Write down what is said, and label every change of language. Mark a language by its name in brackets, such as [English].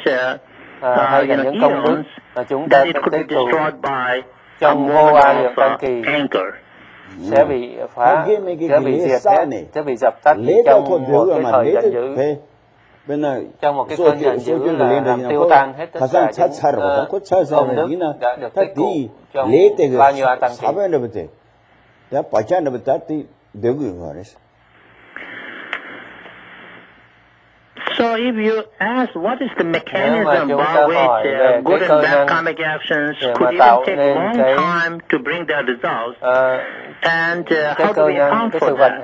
[English] of eons, that it could be destroyed by a moment of anger. [Vietnamese] Sẽ bị phá, sẽ bị diệt, sẽ bị dập tắt trong một cái thời giận dữ. Trong một cái cơn giận dữ là làm tiêu tan hết tất cả những công đức đã được tích tụ trong bao nhiêu tăng thị. Thế nên [English] the negative karma is not destroyed by anger. So if you ask what is the mechanism by which good and bad karmic actions could even take long time to bring their results, and how do we account for that?